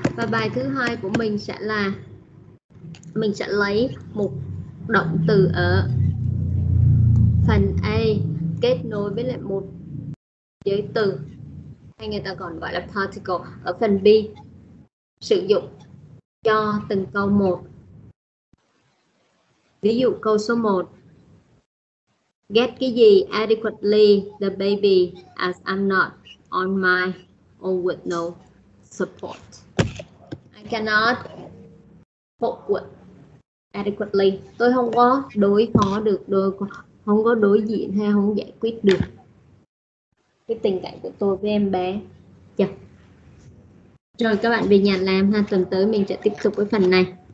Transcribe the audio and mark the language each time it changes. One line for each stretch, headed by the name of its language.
Vietnamese: Và bài thứ hai của mình sẽ là mình sẽ lấy một động từ ở phần A kết nối với lại một giới từ hay người ta còn gọi là particle ở phần B sử dụng cho từng câu một. Ví dụ câu số 1.
English: Get cái gì adequately the baby as I'm not on my own with no support. Cannot cope with adequately.
Vietnamese: Tôi không có đối phó được, không có đối diện hay không giải quyết được cái tình cảnh của tôi với em bé. Yeah. Rồi các bạn về nhà làm ha. Tuần tới mình sẽ tiếp tục với phần này.